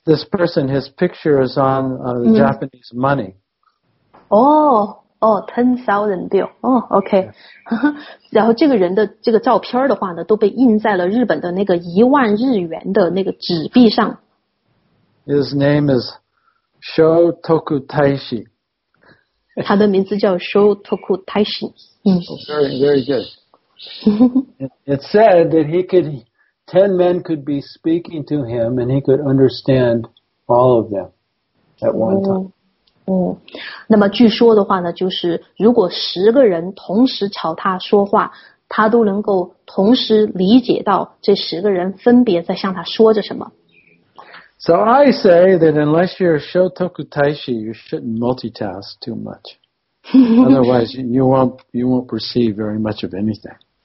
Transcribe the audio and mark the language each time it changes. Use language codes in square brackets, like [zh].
[en] This person, his picture is on Japanese money. Oh, 10,000 bill. Oh, okay. Yes. [zh] 然后这个人的这个照片的话呢，都被印在了日本的那个一万日元的那个纸币上。 [en] His name is Sho Tokutaishi. [zh] 他的名字叫 Sho Tokutaishi. [en] Very, very good. It said that he could... 10 men could be speaking to him and he could understand all of them at one time. [zh] 那么据说的话呢就是如果十个人同时朝他说话他都能够同时理解到这十个人分别在向他说着什么。 [en] So I say that unless you're Sho Tokutaishi, you shouldn't multitask too much. Otherwise, you won't perceive very much of anything.